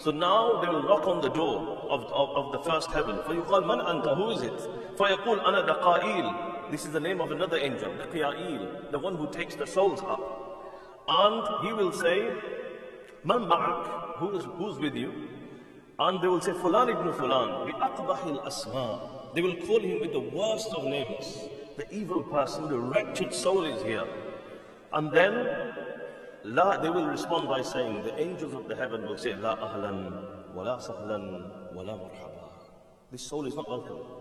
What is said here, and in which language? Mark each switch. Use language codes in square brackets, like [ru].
[en] So now they will knock on the door of the first heaven. [ar] فَيُقَالْ مَنْ أَنْتَ [en] Who is it? [ar] فَيَقُولْ أَنَا دَقَائِيلِ. [en] This is the name of another angel, دَقِيَائِيل, the one who takes the souls up. And he will say, [ar] مَنْ مَعَكْ [en] Who's with you? And they will say, [ar] فُلَانِ ابْنُ فُلَانِ بِأَقْبَحِ الْأَسْمَاءِ. [en] They will call him with the worst of names. The evil person, the wretched soul is here. And then they will respond by saying, the angels of the heaven will say, [ar] La ahlan, wa la sahlan, wa la marhaba. [en] This soul is not welcome.